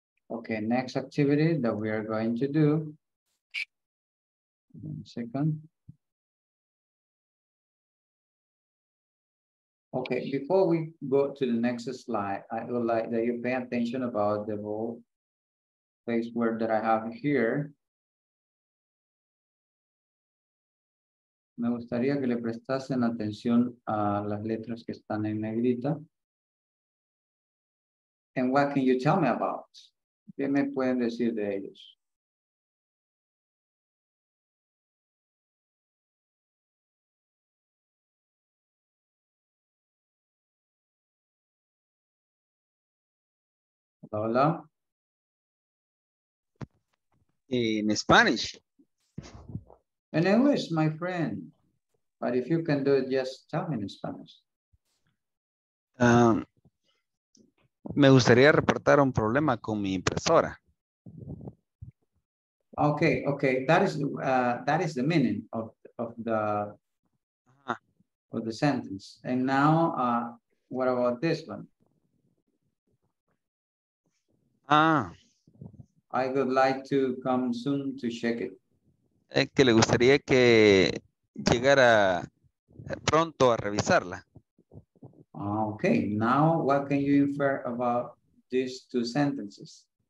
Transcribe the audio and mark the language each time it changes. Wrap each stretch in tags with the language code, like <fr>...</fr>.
<en>Okay, next activity that we are going to do. 1 second. Okay, before we go to the next slide, I would like that you pay attention about the whole place word that I have here.</en> <es>Me gustaría que le prestasen atención a las letras que están en negrita.</es> <en>And what can you tell me about?</en> <es>¿Qué me pueden decir de ellos? Hola, hola.</es> <en>In Spanish. In English, my friend. But if you can do it, just tell me in Spanish.</en> <es>Me gustaría reportar un problema con mi impresora.</es> <en>Okay, okay. That is the meaning of the sentence. And now, what about this one? Ah. I would like to come soon to check it.</en> <es>Es que le gustaría que llegara pronto a revisarla.</es> <en>Okay, now what can you infer about these two sentences?</en>